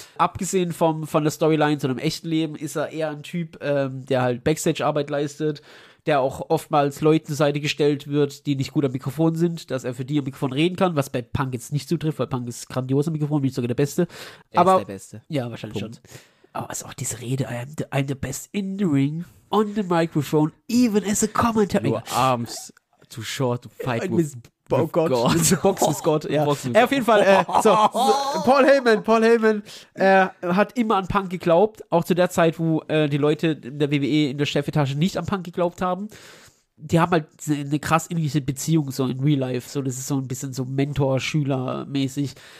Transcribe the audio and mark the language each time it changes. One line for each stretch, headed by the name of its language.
German: Abgesehen von der Storyline zu einem echten Leben ist er eher ein Typ, der halt Backstage-Arbeit leistet, der auch oftmals Leuten zur Seite gestellt wird, die nicht gut am Mikrofon sind, dass er für die am Mikrofon reden kann, was bei Punk jetzt nicht zutrifft, weil Punk ist grandios am Mikrofon, nicht sogar der Beste. Der aber, ist der Beste. Ja, wahrscheinlich Punkt. Schon. Aber also auch diese Rede,
English: I'm the best in the ring, on the microphone, even as a commentator. Your arms too short to fight with
German: oh Gott, God. Box ist Gott. Ja. Er auf jeden Fall, Paul Heyman, hat immer an Punk geglaubt, auch zu der Zeit, wo die Leute in der WWE in der Chefetage nicht an Punk geglaubt haben. Die haben halt eine krass ähnliche Beziehung so in Real Life, so das ist so ein bisschen so Mentor-Schüler-mäßig.